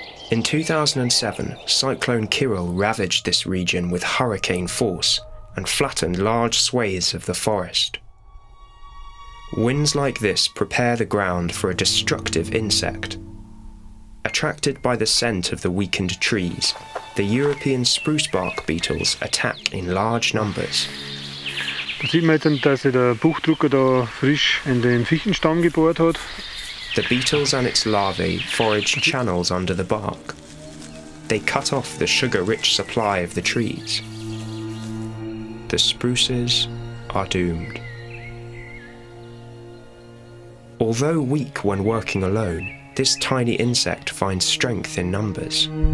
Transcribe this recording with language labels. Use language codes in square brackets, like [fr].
[en] In 2007, Cyclone Kirill ravaged this region with hurricane force and flattened large swathes of the forest. Winds like this prepare the ground for a destructive insect. Attracted by the scent of the weakened trees, the European spruce bark beetles attack in large numbers. [de] Da sieht man dann, dass der Buchdrucker da frisch in den Fichtenstamm gebohrt hat. [en] The beetles and its larvae forage channels under the bark. They cut off the sugar-rich supply of the trees. The spruces are doomed. Although weak when working alone, this tiny insect finds strength in numbers.